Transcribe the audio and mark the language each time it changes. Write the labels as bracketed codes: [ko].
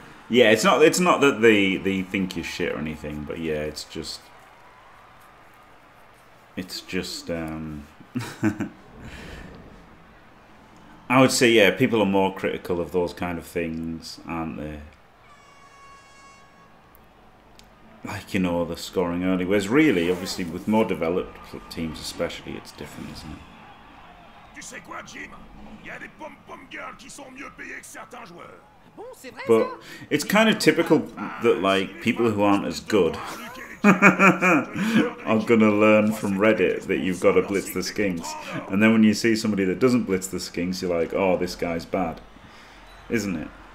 [en] Yeah, it's not that they think you're shit or anything, but yeah, it's just I would say, yeah, people are more critical of those kind of things, aren't they? Like, you know, the scoring early. Whereas really, obviously, with more developed teams especially, it's different, isn't it? [fr] Tu sais quoi, Jim? Y a des pom-pom girls qui sont mieux payées que certains joueurs. Bon, c'est vrai, [en] but it's kind of typical that, like, people who aren't as good are going to learn from Reddit that you've got to blitz the skinks. And then when you see somebody that doesn't blitz the skinks, you're like, oh, this guy's bad. Isn't it?